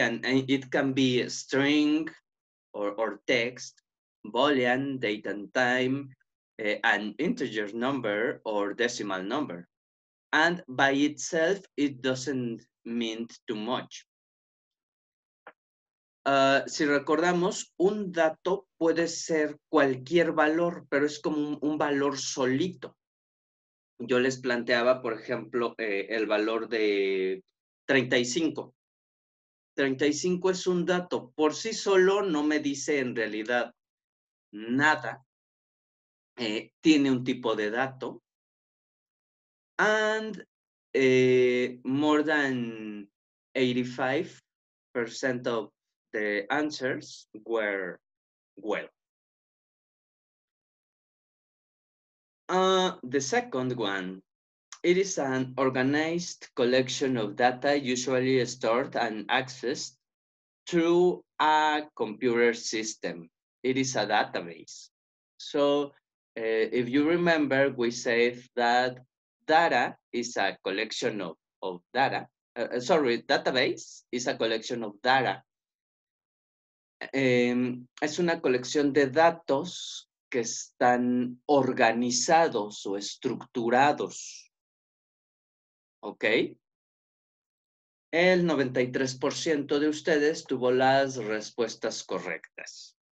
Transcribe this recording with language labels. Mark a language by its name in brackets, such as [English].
[English] And it can be a string or text, boolean, date and time, an integer number or decimal number. And by itself, it doesn't mean too much. [Spanish] Si recordamos, un dato puede ser cualquier valor, pero es como un valor solito. Yo les planteaba, por ejemplo, el valor de 35. 35 es un dato. Por sí solo no me dice en realidad nada. Tiene un tipo de dato. [English] And more than 85% of the answers were well. The second one, it is an organized collection of data usually stored and accessed through a computer system. It is a database. So if you remember, we said that data is a collection of data. Database is a collection of data. [Spanish] Es una colección de datos que están organizados o estructurados. ¿Ok? El 93% de ustedes tuvo las respuestas correctas.